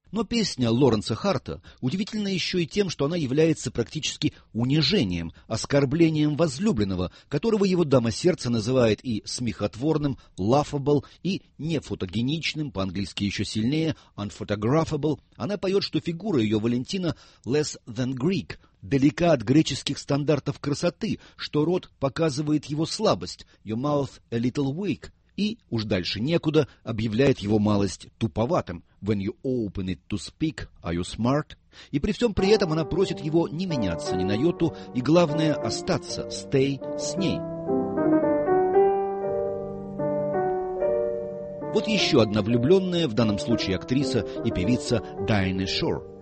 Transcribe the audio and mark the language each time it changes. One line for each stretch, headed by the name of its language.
Russian: Но песня Лоренса Харта удивительна еще и тем, что она является практически унижением, оскорблением возлюбленного, которого его дама сердца называет и смехотворным, laughable, и нефотогеничным, по-английски еще сильнее, unphotographable. Она поет, что фигура ее Валентина
English: less than Greek,
Russian: далека от греческих стандартов красоты, что рот показывает его слабость,
English: your mouth a little weak.
Russian: И, уж дальше некуда, объявляет его малость туповатым.
English: When you open it to speak, are you smart?
Russian: И при всем при этом она просит его не меняться ни на йоту, и главное остаться, stay с ней. Вот еще одна влюбленная, в данном случае актриса и певица Diana Shore.